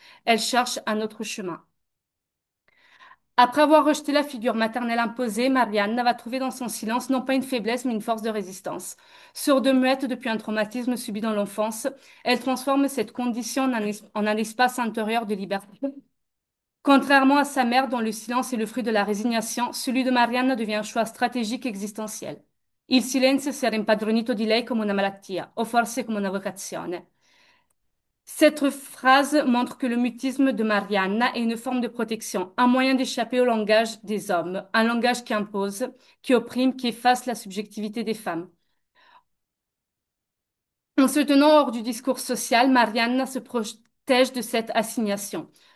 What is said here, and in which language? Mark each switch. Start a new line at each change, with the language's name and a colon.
French: Elle cherche un autre chemin. Après avoir rejeté la figure maternelle imposée, Marianne va trouver dans son silence non pas une faiblesse, mais une force de résistance. Sourde muette depuis un traumatisme subi dans l'enfance, elle transforme cette condition en un espace intérieur de liberté. Contrairement à sa mère, dont le silence est le fruit de la résignation, celui de Marianne devient un choix stratégique existentiel.
Italian: Il silenzio sarà impadronito di lei come una malattia, o forse come una vocazione.
French: Cette phrase montre que le mutisme de Marianne est une forme de protection, un moyen d'échapper au langage des hommes, un langage qui impose, qui opprime, qui efface la subjectivité des femmes. En se tenant hors du discours social, Marianne se protège de cette assignation.